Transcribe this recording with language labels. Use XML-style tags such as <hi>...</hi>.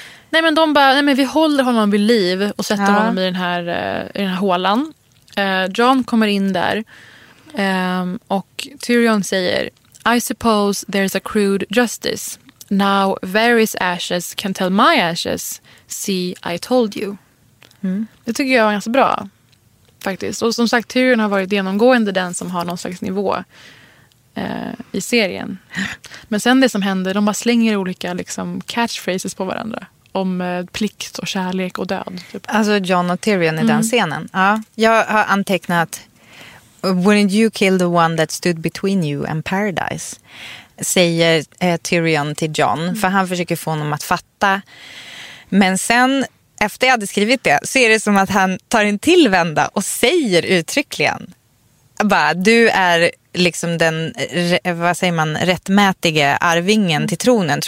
<sv>Nej, men de bara, nej, men vi håller honom vid liv och sätter honom i den här hålan. Jon kommer in där och Tyrion säger,</sv> <en>I suppose there's a crude justice. Now Varys ashes can tell my ashes, see I told you. Mm.</en> <sv>Det tycker jag är ganska bra, faktiskt. Och som sagt, Tyrion har varit genomgående den som har någon slags nivå i serien. Men sen det som händer, de bara slänger olika liksom, catchphrases på varandra. Om plikt och kärlek och död. Typ. Alltså Jon och Tyrion i den scenen. Ja, jag har antecknat,</sv> <en>wouldn't you kill the one that stood between you and paradise?</en> <sv>Säger Tyrion till Jon. För han försöker få honom att fatta. Men sen, efter jag hade skrivit det, så är det som att han tar en tillvända och säger uttryckligen, bara, du är liksom den, vad säger man, rättmätige arvingen till tronen.</sv>